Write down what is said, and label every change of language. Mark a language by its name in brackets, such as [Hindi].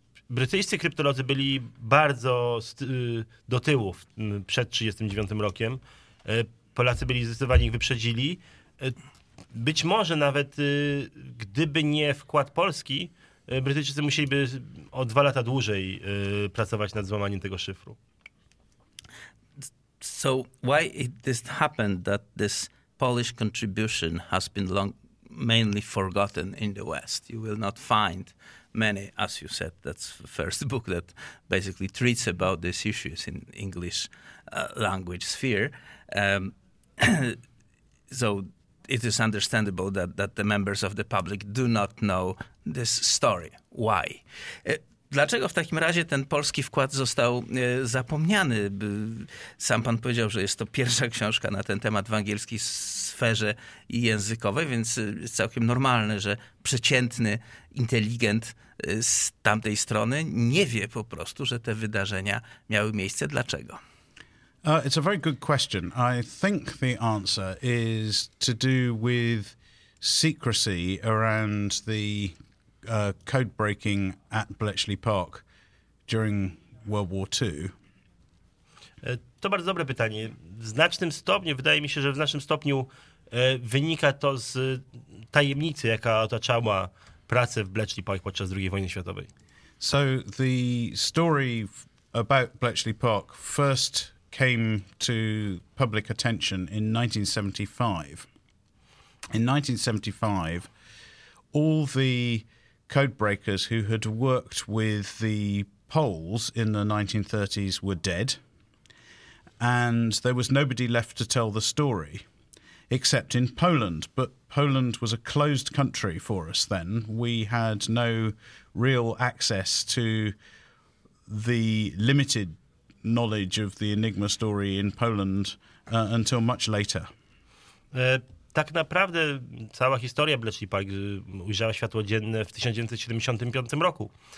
[Polish] Brytyjscy kryptolodzy byli bardzo do tyłu przed 1939 rokiem. Polacy byli zdecydowanie ich wyprzedzili. Być może nawet gdyby nie wkład Polski, Brytyjczycy musieliby o 2 lata dłużej pracować nad złamaniem tego szyfru. [English] So why it this happened that this Polish contribution has been long mainly forgotten in the West? You will not find many, as you said, that's the first book that basically treats about these issues in English language sphere. So it is understandable that the members of the public do not know this story. Why? [Polish] Dlaczego w takim razie ten polski wkład został zapomniany? Sam pan powiedział, że jest to pierwsza książka na ten temat w angielskiej sferze językowej, więc jest całkiem normalne, że przeciętny inteligent z tamtej strony nie wie po prostu, że te wydarzenia miały miejsce. Dlaczego? [English] It's a very good question. I think the answer is to do with secrecy around the code breaking at Bletchley Park during World War II. [Polish] To bardzo dobre pytanie. W znacznym stopniu, wydaje mi się, że w znacznym stopniu wynika to z tajemnicy, jaka otaczała pracę w Bletchley Park podczas II wojny światowej. [English] So the story about Bletchley Park first came to public attention in 1975. In 1975, all the code breakers who had worked with the Poles in the 1930s were dead, and there was nobody left to tell the story, except in Poland. But Poland was a closed country for us then. We had no real access to the limited knowledge of the Enigma story in Poland until much later. [Polish] Tak naprawdę cała historia Bletchley Park ujrzała światło dzienne w 1975 roku.